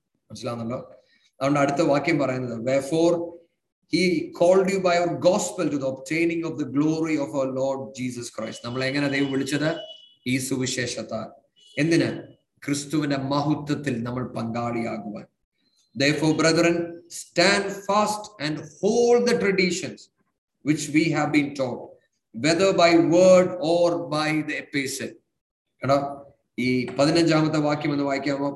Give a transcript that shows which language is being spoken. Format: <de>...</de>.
<ml>മനസ്സിലാവുന്നുണ്ടോ? അതുകൊണ്ട് അടുത്ത വാക്യം പറയുന്നത്,</ml> <en>Wherefore he called you by your gospel to the obtaining of the glory of our Lord Jesus Christ.</en> <ml>നമ്മളെ എങ്ങനെ ദൈവം വിളിച്ചത്? ഈ സുവിശേഷത്താൽ. എന്തിന്? ക്രിസ്തുവിന്റെ മഹത്വത്തിൽ നമ്മൾ പങ്കാളിയാകുവാൻ.</ml> <en>Therefore brethren, stand fast and hold the traditions which we have been taught, whether by word or by the epistle.</en> <ml>കേട്ടോ, ഈ പതിനഞ്ചാമത്തെ വാക്യം എന്ന് വായിക്കാമോ?</ml>